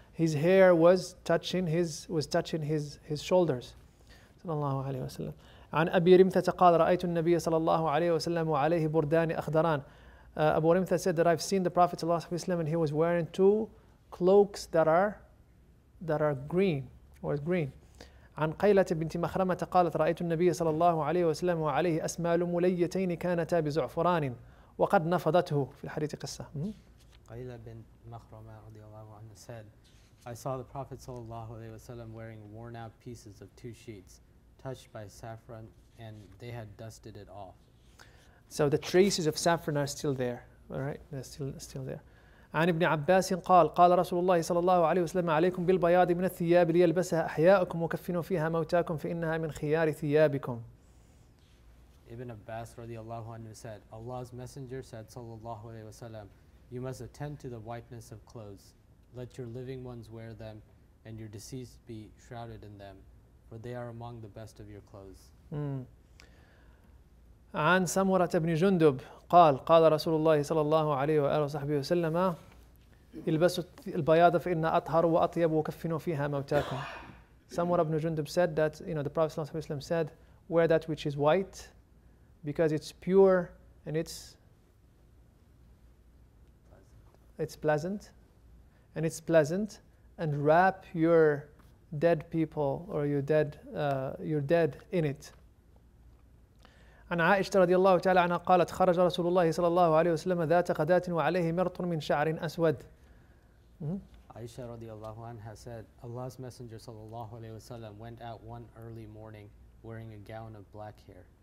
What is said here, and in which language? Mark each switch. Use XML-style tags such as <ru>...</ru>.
<en>His hair was touching his shoulders, sallallahu alaihi wasallam.</en> <ar>عن أبي رمثة قال رأيت النبي صلى الله عليه وسلم وعليه بردان أخضران.</ar> <en>Abu Rimtha said that I've seen the Prophet sallallahu alaihi wasallam and he was wearing two cloaks that are green.</en> <ar>عن قيلة بنت مخرمة قالت رأيت النبي صلى الله عليه وسلم وعليه أسمال مليتين كانتا بزعفران وقد نفضته. في الحديث قصة.</ar> <en>قيلة بنت مخرمة رضي الله عنها said, I saw the Prophet صلى الله عليه وسلم wearing worn out pieces of two sheets touched by saffron and they had dusted it off. So the traces of saffron are still there, all right? They're still there.</en> <ar>عن ابن عباس قال رسول الله صلى الله عليه وسلم عليكم بالبياض من الثياب ليلبسها أحياؤكم وكفنوا فيها موتاكم فإنها من خيار ثيابكم.</ar> <en>Ibn Abbas رضي الله عنه said, Allah's Messenger said صلى الله عليه وسلم, you must attend to the whiteness of clothes. Let your living ones wear them and your deceased be shrouded in them, for they are among the best of your clothes.</en> <ar>عن سمرة بن جندب قال رسول الله صلى الله عليه وآله وصحبه وسلم البسوا البياض فإن أطهر وأطيب وكفنوا فيها موتاكم.</ar> <en>سمرة بن جندب said that, you know, the Prophet صلى الله عليه وسلم said, wear that which is white because it's pure and it's pleasant and wrap your dead people or your dead in it.</en> <ar>عن عائشة رضي الله تعالى عنها قالت خرج رسول الله صلى الله عليه وسلم ذات غداة وعليه مرط من شعر أسود.</ar> <en>عائشة رضي الله عنها said Allah's Messenger صلى الله عليه وسلم went out one early morning wearing a gown of black hair.</en>